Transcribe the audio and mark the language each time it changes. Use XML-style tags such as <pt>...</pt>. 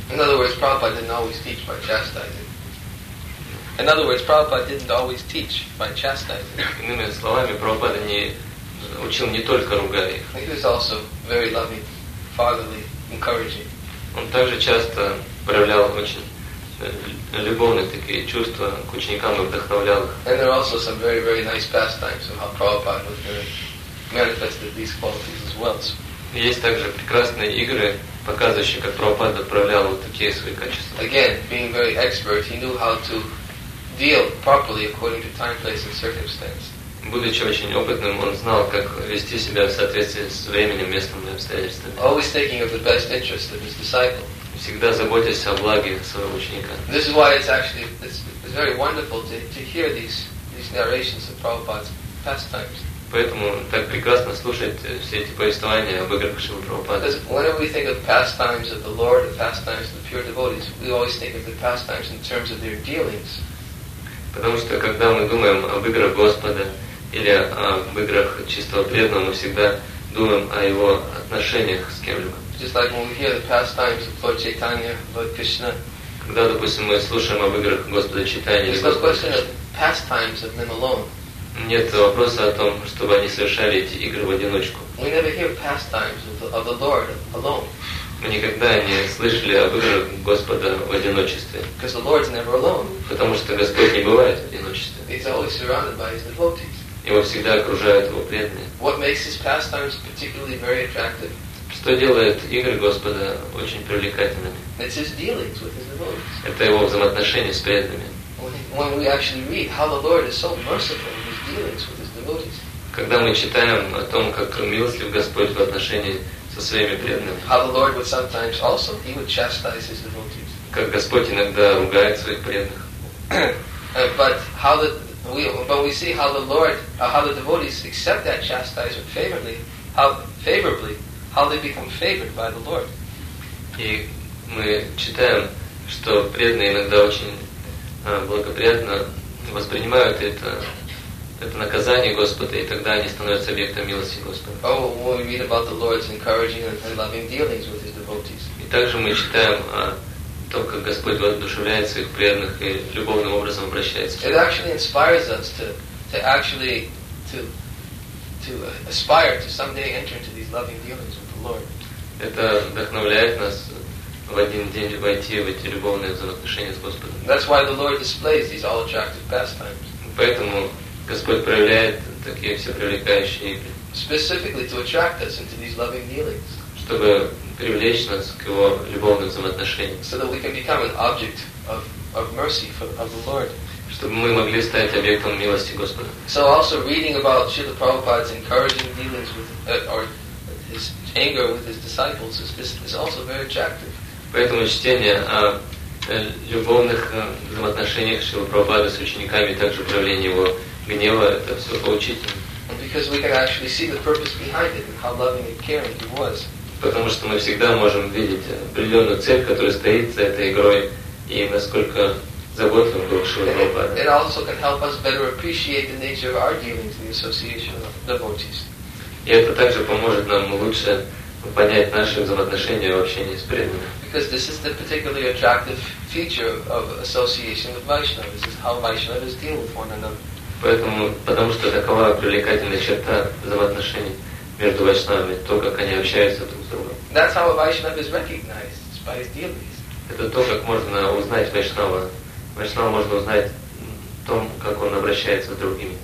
<en>In other words, Prabhupada didn't always teach by chastising. In other words, Prabhupada didn't always teach by chastising.</en> <ru>Иными словами, Прабхупада не учил не только ругая их.</ru> <en>He was also very loving, fatherly, encouraging.</en> <ru>Он также часто проявлял очень любовные такие чувства к ученикам и вдохновлял их.</ru> <en>And there are also some very, very nice pastimes of how Prabhupada was very manifested these qualities as well.</en> <ru>Есть также прекрасные игры, показывающие, как Прабхупада проявлял вот такие свои качества.</ru> <en>Again, being very expert, he knew how to deal properly according to time, place, and circumstance.</en> <ru>Будучи очень опытным, он знал, как вести себя в соответствии с временем, местом и обстоятельствами.</ru> <en>Always thinking of the best interest of his disciple.</en> <ru>Всегда заботясь о благе своего ученика.</ru> <en>This is why it's very wonderful to hear these narrations of Prabhupada's pastimes.</en> <ru>Поэтому так прекрасно слушать все эти повествования об играх Шрилы Прабхупады.</ru> <en>Because whenever we think of pastimes of the Lord, the pastimes of the pure devotees, we always think of the pastimes in terms of their dealings.</en> <ru>Потому что когда мы думаем об играх Господа или об играх чистого преданного, мы всегда думаем о его отношениях с кем-либо.</ru> <en>Just like when we hear the pastimes of Lord Chaitanya, Lord Krishna.</en> <ru>Когда, допустим, мы слушаем об играх Господа Чайтанья.</ru> <en>It's not a question of pastimes of them alone.</en> <ru>Нет вопроса о том, чтобы они совершали эти игры в одиночку.</ru> <en>We never hear pastimes of the Lord alone.</en> <ru>Мы никогда не слышали об играх Господа в одиночестве.</ru> <en>Because the Lord's never alone.</en> <ru>Потому что Господь не бывает в одиночестве.</ru> <en>He's always surrounded by his devotees.</en> <ru>Его всегда окружают его преданные.</ru> <en>What makes his pastimes particularly very attractive?</en> <ru>Что делает игры Господа очень привлекательными?</ru> <en>It's his dealings with his devotees.</en> <ru>Это его взаимоотношения с преданными.</ru> <en>when we actually read how the Lord is so merciful in his dealings with his devotees.</en> <ru>Когда мы читаем о том, как милостив Господь в отношении со своими преданными.</ru> <en>How the Lord would sometimes also he would chastise his devotees.</en> <ru>Как Господь иногда ругает своих преданных.</ru> <en>But we see how the devotees accept that chastisement favorably, how they become favored by the Lord.</en> <ru>И мы читаем, что преданные иногда очень благоприятно воспринимают это наказание Господа, и тогда они становятся объектом милости Господа.</ru> <en>Oh, we read about the Lord's encouraging and loving dealings with his devotees.</en> <ru>И также мы читаем о том, как Господь воодушевляет своих преданных и любовным образом обращается.</ru> <en>It actually inspires us to aspire to someday enter into these loving dealings with the Lord.</en> <ru>Это вдохновляет нас в один день войти в эти любовные взаимоотношения с Господом.</ru> <en>That's why the Lord displays these all attractive pastimes.</en> <ru>Поэтому Господь проявляет такие все привлекающие игры.</ru> <en>Specifically to attract us into these loving dealings.</en> <ru>Чтобы привлечь нас к его любовным взаимоотношениям.</ru> <en>So that we can become an object of mercy of the Lord.</en> <ru>Чтобы мы могли стать объектом милости Господа.</ru> <en>So also reading about Srila Prabhupada's encouraging dealings with or his anger with his disciples is also very attractive.</en> <ru>Поэтому чтение о любовных взаимоотношениях Шрилы Прабхупады с учениками, также проявление его гнева, это все поучительно. Потому что мы всегда можем видеть определенную цель, которая стоит за этой игрой, и насколько заботливым был Шрилы Прабхупада.</ru> <en>It also can help us better appreciate the nature of our dealings in the association of devotees.</en> <ru>И это также поможет нам лучше понять наши взаимоотношения в общении с преданными.</ru> <en>Because this is the particularly attractive feature of association with Vaishnavas, is how Vaishnavas deal with one another.</en> <ru>Потому что такова привлекательная черта взаимоотношений между Вайшнавами, то, как они общаются друг с другом.</ru> <en>That's how a Vaishnava is recognized, is by his dealings.</en> <ru>Это то, как можно узнать Вайшнава. Вайшнава можно узнать том, как он обращается с другими.</ru>